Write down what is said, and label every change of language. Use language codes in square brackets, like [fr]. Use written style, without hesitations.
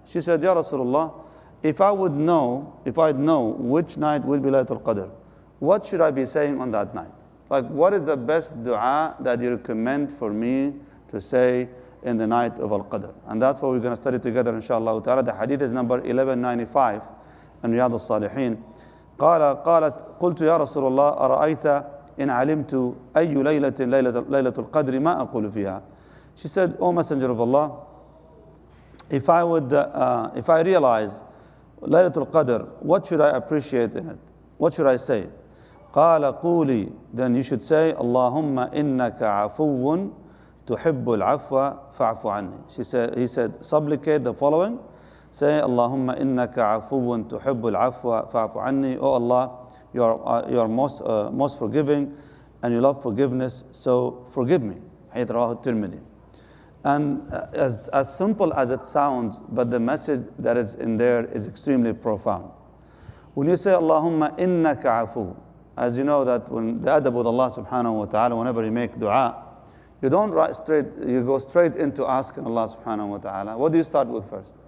[en] She said, [ar] يا رسول الله, [en] if I'd know which night will be Laylatul Qadr, what should I be saying on that night? Like, what is the best dua that you recommend for me to say in the night of Al-Qadr? And that's what we're going to study together, inshallah ta'ala. The hadith is number 1195 in Riyad al-Saliheen. [ar] قالت قلت يا رسول الله أرأيت إن علمت أي ليلة ليلة القدر ما أقول فيها. [en] She said, O Messenger of Allah, if I realize [ar] ليلة القدر, [en] what should I appreciate in it? What should I say? [ar] قال قولي, [en] then you should say, [ar] اللهم إنك عفو تحب العفو فاعف عني. [en] He said, supplicate the following, say, [ar] اللهم إنك عفو تحب العفو فاعف عني. [en] O Allah, you are most forgiving, and you love forgiveness, so forgive me. [ar] حديث رواه الترمذي. [en] And as simple as it sounds, but the message that is in there is extremely profound. When you say, [ar] اللهم إنك عفو, [en] as you know that when the adab with Allah subhanahu wa ta'ala, whenever you make dua, you don't write straight, you go straight into asking Allah subhanahu wa ta'ala. What do you start with first?